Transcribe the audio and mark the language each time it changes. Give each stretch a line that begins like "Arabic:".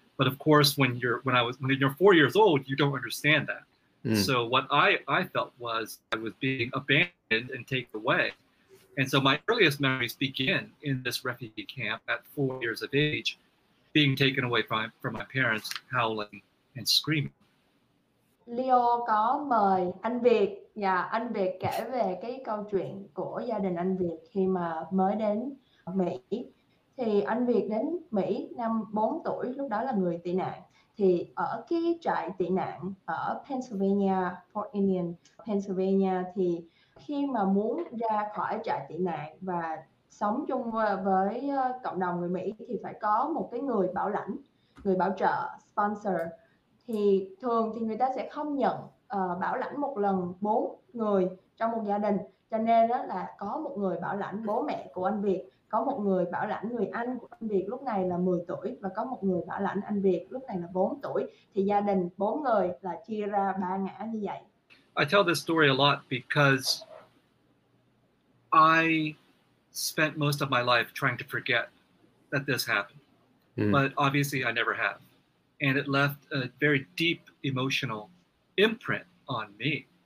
English: But of course, when you're 4 years old, you don't understand that. Mm. So what I felt was I was being abandoned and taken away. And so my earliest memories begin in this refugee camp at 4 years of age, being taken away from my parents, howling and screaming.
Vietnamese: Leo có mời anh Việt, nhà anh Việt kể về cái câu chuyện của gia đình anh Việt khi mà mới đến Mỹ. Thì anh Việt đến Mỹ năm 4 tuổi, lúc đó là người tị nạn. Thì ở cái trại tị nạn ở Pennsylvania, Fort Union, Pennsylvania, thì khi mà muốn ra khỏi trại tị nạn và sống chung với cộng đồng người Mỹ thì phải có một cái người bảo lãnh, người bảo trợ, sponsor. Thì thường thì người ta sẽ không nhận bảo lãnh một lần 4 người trong một gia đình. Cho nên đó là có một người bảo lãnh bố mẹ của anh Việt, có một người bảo lãnh người anh của anh Việt lúc này là 10 tuổi và có một người bảo lãnh anh Việt lúc này là 4 tuổi. Thì gia đình 4 người là chia ra 3 ngã như vậy.
English: I tell this story a lot because I spent most of my life trying to forget that this happened. Mm. But obviously I never have. And it left a very deep emotional imprint on me.